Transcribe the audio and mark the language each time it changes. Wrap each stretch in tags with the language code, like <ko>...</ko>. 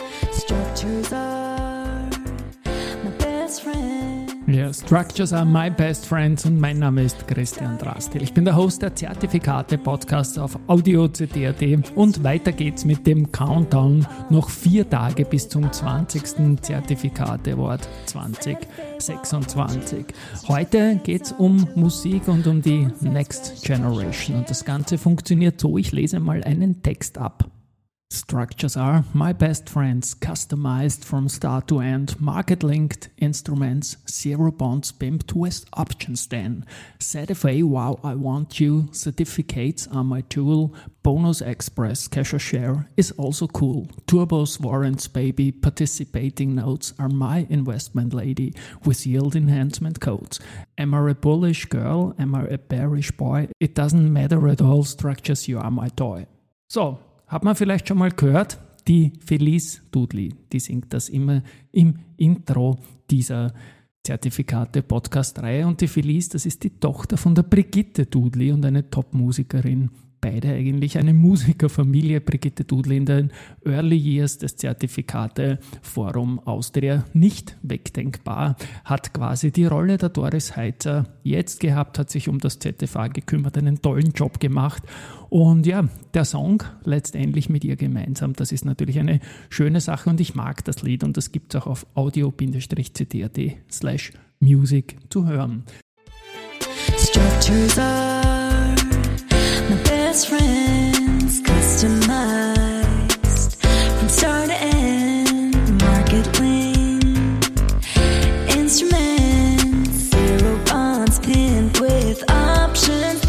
<en>Structures are my best friends. Yeah, structures are my best friends.</en> <de>Und mein Name ist Christian Drastil. Ich bin der Host der Zertifikate-Podcasts auf AudioCD.at. Und weiter geht's mit dem Countdown. Noch 4 Tage bis zum 20. Zertifikate-Award 2026. Heute geht's um Musik und um die Next Generation. Und das Ganze funktioniert so: Ich lese mal einen Text ab.</de> <en>Structures are my best friends, customized from start to end, market linked instruments, zero bonds, pimp twist options then, ZFA, wow, I want you, certificates are my tool, bonus express, cash or share is also cool, turbos, warrants, baby, participating notes are my investment lady, with yield enhancement codes. Am I a bullish girl? Am I a bearish boy? It doesn't matter at all, structures, you are my toy.</en> <de>So, hat man vielleicht schon mal gehört, die Felice Dudley, die singt das immer im Intro dieser Zertifikate-Podcast-Reihe. Und die Felice, das ist die Tochter von der Brigitte Dudley und eine Top-Musikerin. Beide eigentlich eine Musikerfamilie, Brigitte Dudley in den Early Years des Zertifikate-Forum Austria. Nicht wegdenkbar, hat quasi die Rolle der Doris Heitzer jetzt gehabt, hat sich um das ZFA gekümmert, einen tollen Job gemacht. Und ja, der Song letztendlich mit ihr gemeinsam, das ist natürlich eine schöne Sache und ich mag das Lied und das gibt es auch auf audio-cd.at/music zu hören.</de> <en>Structures are my best friends, customized from start to end, market link, instruments, zero bonds, pinned with options.</en>